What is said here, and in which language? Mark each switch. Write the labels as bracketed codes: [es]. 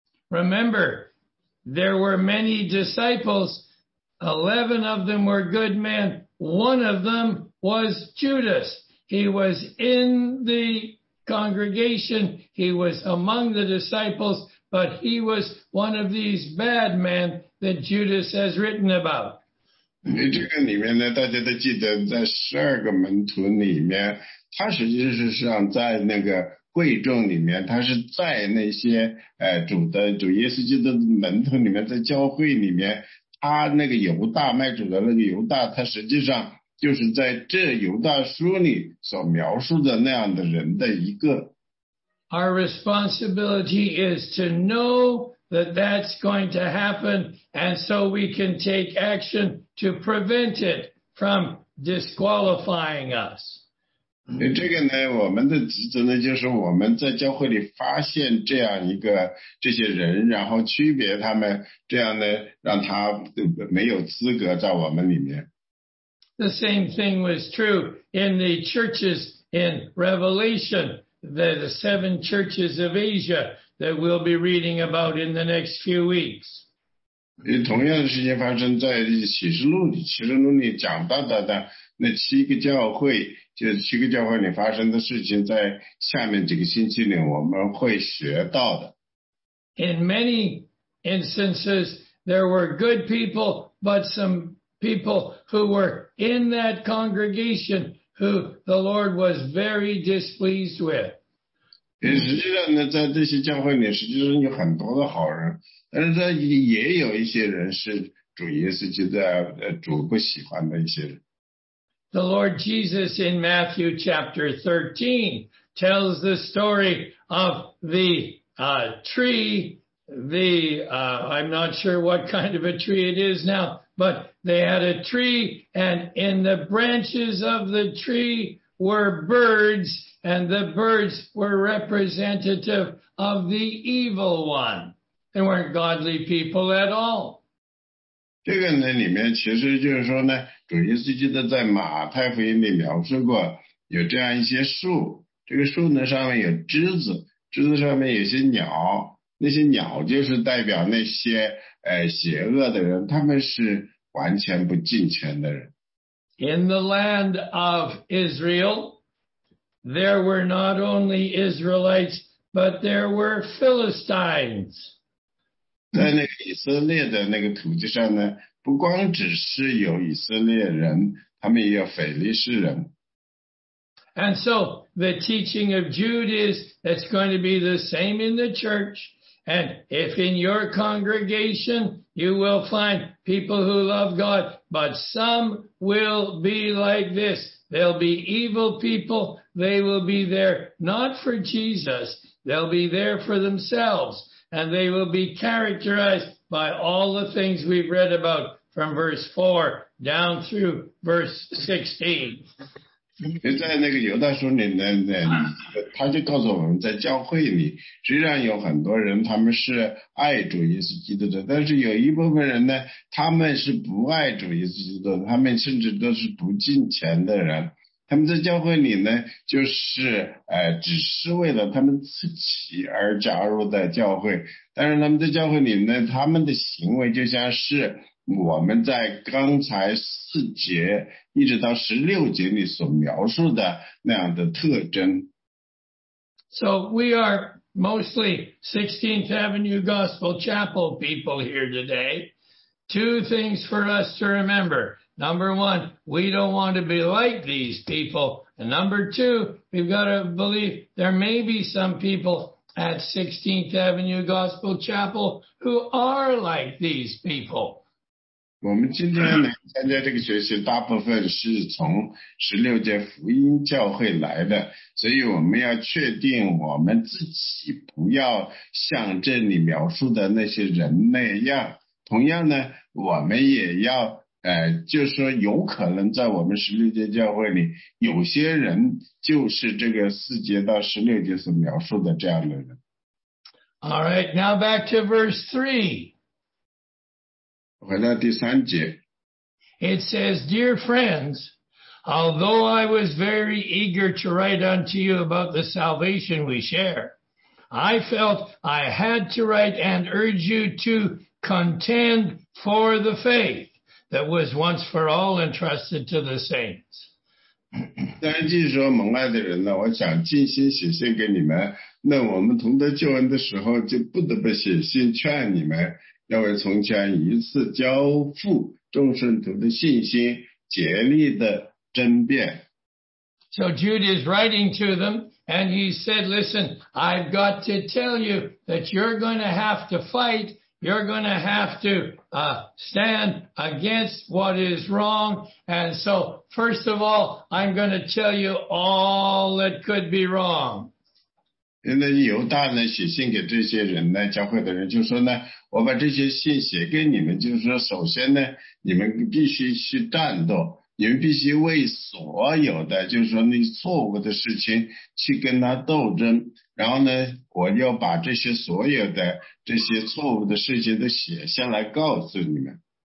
[en] Remember, there were many disciples, 11 of them were good men. One of them was Judas. He was in the congregation. He was among the disciples, but he was one of these bad men that Judas has written about. [zh] 这个里面呢，大家都记得，在12个门徒里面，他实际上在那个贵众里面，他是在那些主耶稣基督的门徒里面，在教会里面。他那个犹大，卖主的那个犹大，他实际上就是在这犹大书里所描述的那样的人的一个。 [en] Our responsibility is to know that that's going to happen, and so we can take action to prevent it from disqualifying us. [zh] 这个呢，我们的职责呢，就是我们在教会里发现这样一个这些人，然后区别他们，这样呢，让他没有资格在我们里面。 [en] The same thing was true in the churches in Revelation, the seven churches of Asia that we'll be reading about in the next few weeks. [zh] 同样的事情发生在启示录里，启示录里讲到的那七个教会，就是七个教会里发生的事情，在下面几个星期里我们会学到的。 [en] In many instances, there were good people, but some people who were in that congregation who the Lord was very displeased with. [zh] 实际上呢，在这些教会里，实际上有很多的好人，但是他也有一些人是主耶稣基督主不喜欢的一些人。 [en] The Lord Jesus in Matthew chapter 13 tells the story of the tree, I'm not sure what kind of a tree it is now, but they had a tree, and in the branches of the tree were birds, and the birds were representative of the evil one. They weren't godly people at all. [zh] 这个呢里面其实就是说呢，主耶稣基督在马太福音里描述过有这样一些树，这个树呢上面有枝子，枝子上面有些鸟，那些鸟就是代表那些邪恶的人，他们是完全不敬虔的人。 [en] In the land of Israel, there were not only Israelites, but there were Philistines. [zh] 在那个以色列的那个土地上呢，不光只是有以色列人，他们也有腓力士人。 [en] And so, the teaching of Jude is, it's going to be the same in the church. And if in your congregation, you will find people who love God, but some will be like this. They'll be evil people. They will be there not for Jesus. They'll be there for themselves. And they will be characterized by all the things we've read about from verse 4 down through verse 16. [zh] 在那个犹大书里呢，他就告诉我们，在教会里实际上有很多人，他们是爱主耶稣基督的，但是有一部分人呢，他们是不爱主耶稣基督的，他们甚至都是不敬虔的人。他们在教会里呢，就是只是为了他们自己而加入的教会，但是他们在教会里呢，他们的行为就像是我们在刚才四节一直到十六节里所描述的那样的特征。 [en] So we are mostly 16th Avenue Gospel Chapel people here today. Two things for us to remember. Number one, we don't want to be like these people. And number two, we've got to believe there may be some people at 16th Avenue Gospel Chapel who are like these people. [zh] 我们今天呢参加这个学习大部分是从十六届福音教会来的，所以我们要确定我们自己不要像这里描述的那些人那样。同样呢，我们也要就说有可能在我们十六届教会里有些人就是这个四节到十六节所描述的这样的人。 [en] All right, now back to verse 3. [zh] 回到第三节。 [en] It says, Dear friends, although I was very eager to write unto you about the salvation we share, I felt I had to write and urge you to contend for the faith that was once for all entrusted to the saints. [zh] 但是说蒙爱的人呢，我想尽心写信给你们，那我们同得救恩的时候就不得不写信劝你们。要为从前一次交付众圣徒的信心竭力的争辩。 [en] So Jude is writing to them, and he said, Listen, I've got to tell you that you're going to have to fight, you're going to have to stand against what is wrong, and so first of all, I'm going to tell you all that could be wrong. [zh] 那犹大呢写信给这些人呢教会的人就说呢，我把这些信写给你们，就是说首先呢你们必须去战斗，你们必须为所有的就是说那错误的事情去跟他斗争，然后呢我要把这些所有的这些错误的事情都写下来告诉你们。